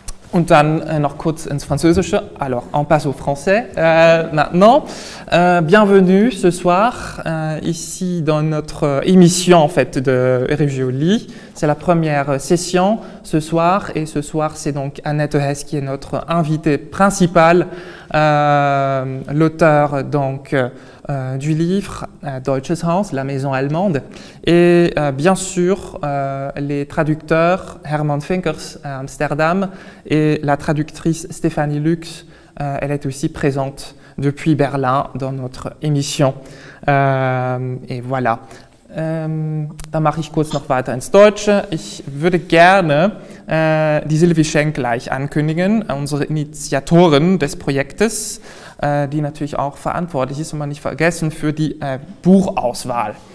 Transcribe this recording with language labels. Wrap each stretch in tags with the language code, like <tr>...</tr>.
<de>Und dann noch kurz ins Französische.</de> <fr>Alors, on passe au français. Maintenant, bienvenue ce soir ici dans notre émission en fait de Régioli. C'est la première session ce soir et ce soir c'est donc Annette Hess qui est notre invitée principale, l'auteur donc du livre Deutsches Haus, la maison allemande, et bien sûr les traducteurs Hermann Finkers à Amsterdam et la traductrice Stefanie Lüx, elle est aussi présente depuis Berlin dans notre émission. Et voilà.</fr> <de>Dann mache ich kurz noch weiter ins Deutsche. Ich würde gerne die Sylvie Schenk gleich ankündigen, unsere Initiatorin des Projektes, die natürlich auch verantwortlich ist, und man nicht vergessen, für die Buchauswahl.</de>